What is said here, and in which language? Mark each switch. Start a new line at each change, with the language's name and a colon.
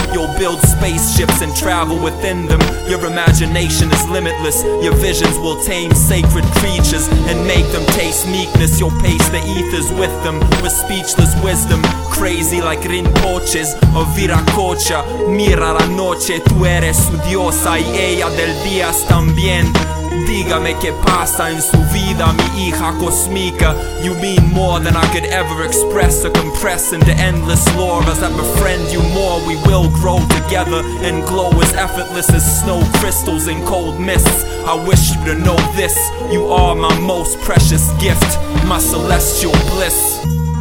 English: You'll build spaceships and travel with in them. Your imagination is limitless. Your visions will tame sacred creatures and make them taste meekness. You'll pace the ethers with them with speechless wisdom, crazy like Rinpoches or Viracocha.
Spanish: Mira la noche, tú eres su diosa y ella del día también. Dígame qué pasa en su vida, mi hija Cosmica.
English: You mean more than I could ever express or compress into endless lore. As I befriend you more, we will grow together and glow as effortless as snow crystals in cold mists. I wish you to know this, you are my most precious gift, my celestial bliss.